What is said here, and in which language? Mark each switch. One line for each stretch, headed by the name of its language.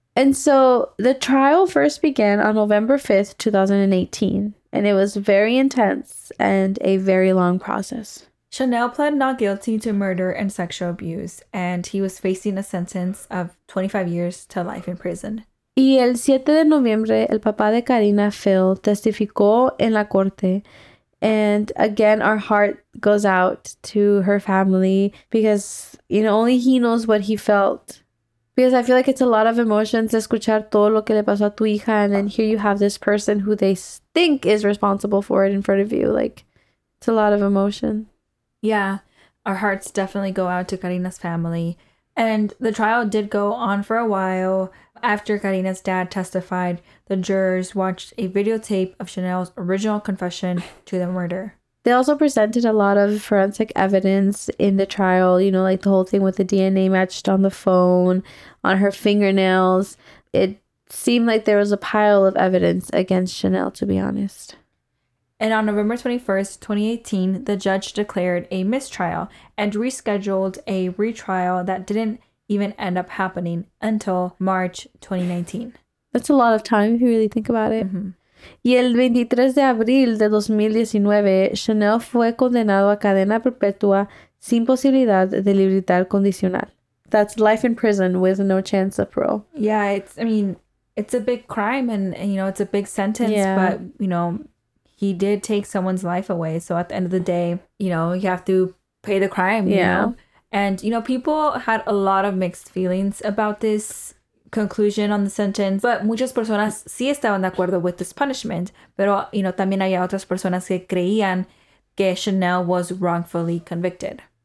English: And so the trial first began on November 5th, 2018. And it was very intense and a very long process. Chanel pled not guilty to murder and sexual abuse, and he was facing a sentence of 25 years to life in prison.
Spanish: Y el 7 de noviembre, el papá de Karina, Phil, testificó en la corte.
English: And again, our heart goes out to her family because, you know, only he knows what he felt. Because I feel like it's a lot of emotions,
Spanish: escuchar todo lo que le pasó a tu hija,
English: and then here you have this person who they think is responsible for it in front of you. Like, it's a lot of emotion. Yeah, our hearts definitely go out to Karina's family. And the trial did go on for a while. After Karina's dad testified, the jurors watched a videotape of Chanel's original confession to the murder. They also presented a lot of forensic evidence in the trial, you know, like the whole thing with the DNA matched on the phone, on her fingernails. It seemed like there was a pile of evidence against Chanel, to be honest. And on November 21st, 2018, the judge declared a mistrial and rescheduled a retrial that didn't even end up happening until March 2019. That's a lot of time if you really think about it. Mm-hmm.
Spanish: Y el 23 de abril de 2019, Chanel fue condenado a cadena perpetua sin posibilidad de libertad condicional.
English: That's life in prison with no chance of parole. Yeah, it's a big crime and you know, it's a big sentence, yeah. But, you know, he did take someone's life away. So at the end of the day, you know, you have to pay the crime, you know? And, you know, people had a lot of mixed feelings about this conclusion on the sentence, but
Spanish: muchas personas sí estaban de acuerdo
English: with this punishment, pero, you know,
Spanish: también había otras personas que creían que
English: Chanel was wrongfully convicted.